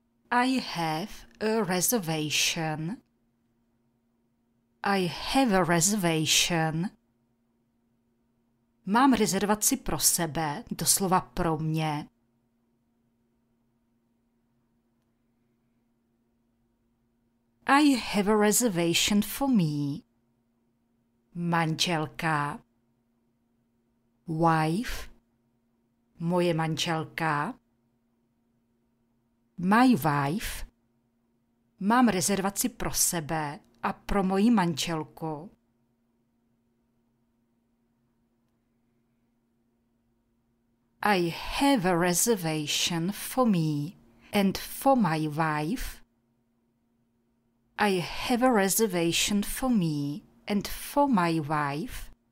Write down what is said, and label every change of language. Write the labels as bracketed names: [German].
[English] I have a reservation. I have a reservation. [Czech] Mám rezervaci pro sebe, doslova pro mě. [English] I have a reservation for me. [Czech] Manželka. [English] Wife. [Czech] Moje manželka. [English] My wife. [Czech] Mám rezervaci pro sebe a pro moji manželku. [English] I have a reservation for me and for my wife. I have a reservation for me and for my wife.